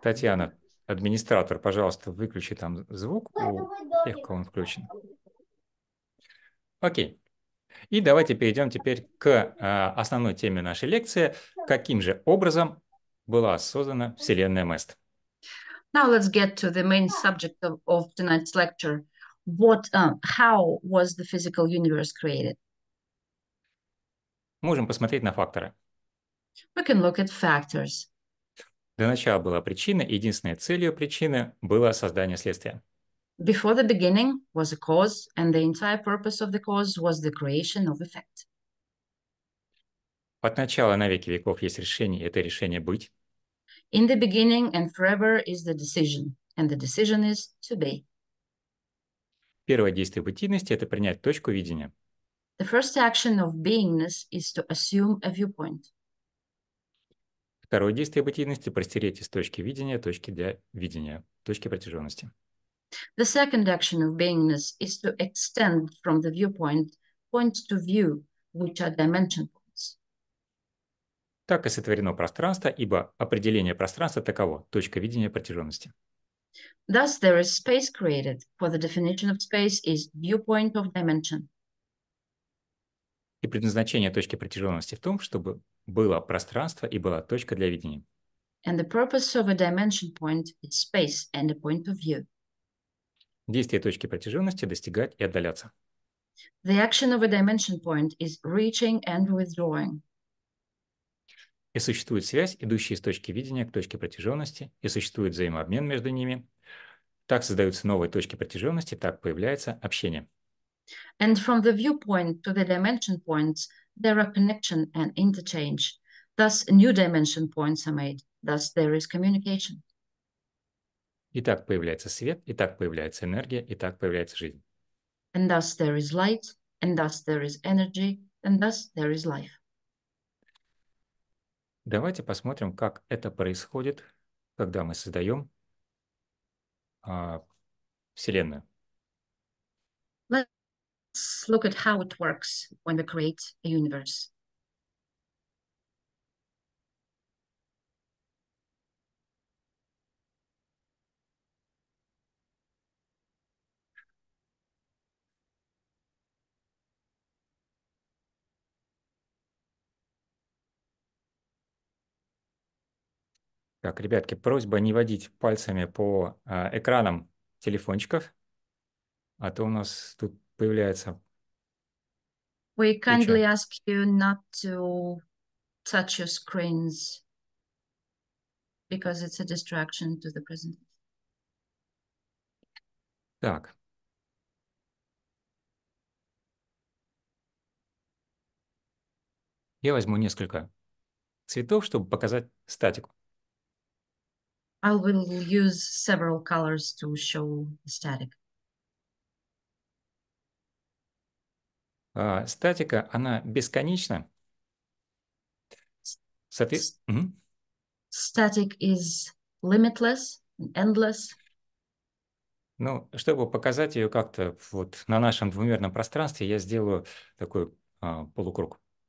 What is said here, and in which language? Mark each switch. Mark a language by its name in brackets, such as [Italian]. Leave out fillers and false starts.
[Russian] Татьяна. Администратор, пожалуйста, выключи там звук. У тех, кого он включен. Окей. И давайте перейдем теперь к основной теме нашей лекции. Каким же образом была создана Вселенная Мест? [English] Now let's get to the main subject of tonight's lecture. What, how was the physical universe created? [Russian] Можем посмотреть на факторы. [English] We can look at factors. [Russian] Для начала была причина, единственной целью причины было создание следствия. [English] Before the beginning was a cause, and the entire purpose of the cause was the creation of effect. [Russian] От начала на веки веков есть решение, и это решение быть. [English] In the beginning and forever is the decision, and the decision is to be. [Russian] Первое действие бытийности – это принять точку видения. [English] The first action of beingness is to assume a viewpoint. [Russian] Второе действие бытийности – простереть из точки видения точки для видения, точки протяженности. [English] The second action of beingness is to extend from the viewpoint points to view, which are dimension points. [Russian] Так и сотворено пространство, ибо определение пространства таково – точка видения протяженности. [English] Thus, there is space created, for the definition of space is viewpoint of dimension. [Russian] И предназначение точки протяженности в том, чтобы было пространство и была точка для видения. [English] And the purpose of a dimension point is space and a point of view. [Russian] Действие точки протяженности – достигать и отдаляться. [English] The action of a dimension point is reaching and withdrawing. [Russian] И существует связь, идущая из точки видения к точке протяженности, и существует взаимообмен между ними. Так создаются новые точки протяженности, так появляется общение. [English] And from the viewpoint to the dimension points, there are connection and interchange. Thus, new dimension points are made. Thus, there is communication. [Russian] И так появляется свет, и так появляется энергия, и так появляется жизнь. [English] And thus there is light, and thus there is energy, and thus there is life. [Russian] Давайте посмотрим, как это происходит, когда мы создаем Вселенную. [English] Let's look at how it works when we create a universe. [Russian] Так, ребятки, просьба не водить пальцами по экранам телефончиков, а то у нас тут появляется [English] We kindly [Russian] куча. [English] ask you not to touch your screens because it's a distraction to the presentation. [Russian] Так. Я возьму несколько цветов, чтобы показать статику. [English] I will use several colors to show the static. [Russian] Статика, она бесконечна. [English] Static is limitless, endless. [Russian] Ну, чтобы показать ее как-то вот на нашем двумерном пространстве, я сделаю такой полукруг.